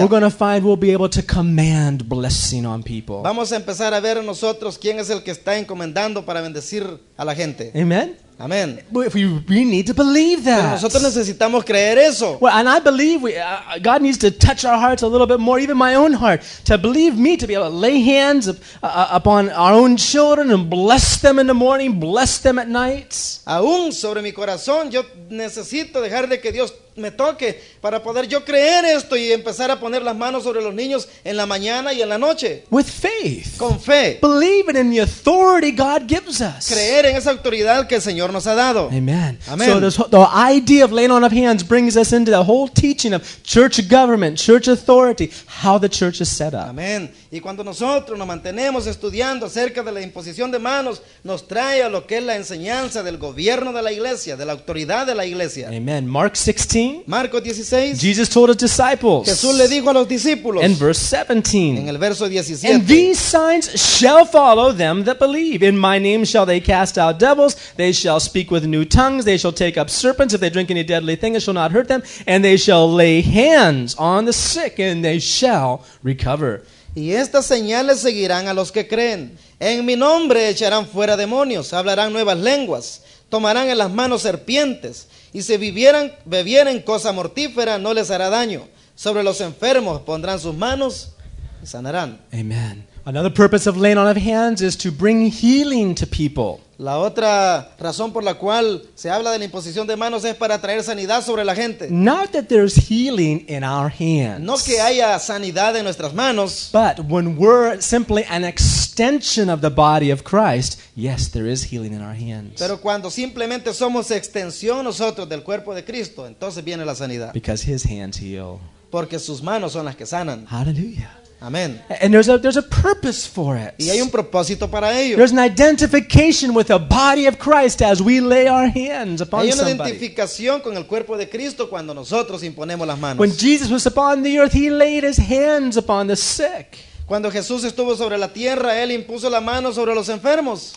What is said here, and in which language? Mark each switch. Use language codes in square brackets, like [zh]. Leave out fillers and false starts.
[en] We're going to find we'll be able to command blessing on people. [es] Vamos a empezar a ver nosotros quién es el que está encomendando para bendecir a la gente. Amen. Amen. [en] We need to believe that. [es] Pero nosotros necesitamos creer eso. [en] Well, and I believe God needs to touch our hearts a little bit more, even my own heart, to believe me, to be able to lay hands upon our own children and bless them in the morning, bless them at night. [es] Aún sobre mi corazón, yo necesito dejar de que Dios me toque para poder yo creer esto y empezar a poner las manos sobre los niños en la mañana y en la noche. [en] With faith. [es] Con fe. [en] Believing in the authority God gives us. [es] Creer en esa autoridad que el Señor nos ha dado. Amen. [en] So this, the idea of laying on of hands brings us into the whole teaching of church government, church authority, how the church is set up. [es] Amen. Y cuando nosotros nos mantenemos estudiando acerca de la imposición de manos, nos trae a lo que es la enseñanza del gobierno de la iglesia, de la autoridad de la iglesia. [en] Amen. Mark 16. [es] Marcos 16. [en] Jesus told his disciples. [es] Jesús le dijo a los discípulos. [en] In verse 17. [es] En el verso 17. [en] And these signs shall follow them that believe. In my name shall they cast out devils. They shall speak with new tongues. They shall take up serpents. If they drink any deadly thing, it shall not hurt them. And they shall lay hands on the sick, and they shall recover. [es] Y estas señales seguirán a los que creen. En mi nombre echarán fuera demonios, hablarán nuevas lenguas, tomarán en las manos serpientes, y si bebieran cosa mortífera, no les hará daño. Sobre los enfermos pondrán sus manos y sanarán. Amen. [en] Another purpose of laying on of hands is to bring healing to people. [es] La otra razón por la cual se habla de la imposición de manos es para traer sanidad sobre la gente. [en] Not that there's healing in our hands. [es] No que haya sanidad en nuestras manos. [en] But when we're simply an extension of the body of Christ, yes, there is healing in our hands. [es] Pero cuando simplemente somos extensión nosotros del cuerpo de Cristo, entonces viene la sanidad. [en] Because his hands heal. [es] Porque sus manos son las que sanan. [en] Hallelujah. Amen. And there's a purpose for it. [es] Y hay un propósito para ello. [en] There's an identification with the body of Christ as we lay our hands upon somebody. [es] Hay una identificación con el cuerpo de Cristo cuando nosotros imponemos las manos. [en] When Jesus was upon the earth, he laid his hands upon the sick. [es] Cuando Jesús estuvo sobre la tierra, él impuso la mano sobre los enfermos.